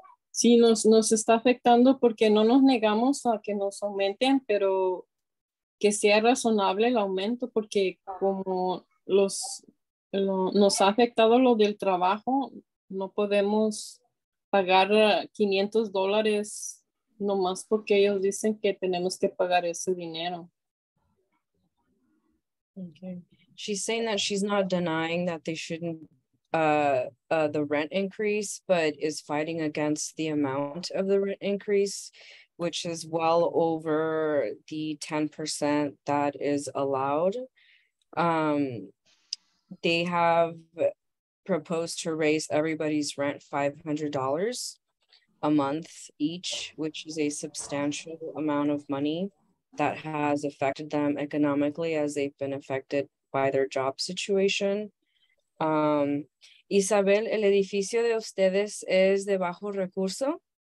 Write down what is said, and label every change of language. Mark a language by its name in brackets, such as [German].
[Spanish] Sí, nos está afectando porque no nos negamos a que nos aumenten, pero que sea razonable el aumento porque como los... nos ha afectado lo del trabajo, no podemos pagar $500 nomás porque ellos dicen que tenemos que pagar ese dinero. [English] Okay. She's saying that she's not denying that they shouldn't, the rent increase, but is fighting against the amount of the rent increase, which is well over the 10% that is allowed. They have proposed to raise everybody's rent $500 a month each, which is a substantial amount of money that has affected them economically as they've been affected by their job situation. [Spanish] Isabel, ¿el edificio de ustedes es de bajo recurso?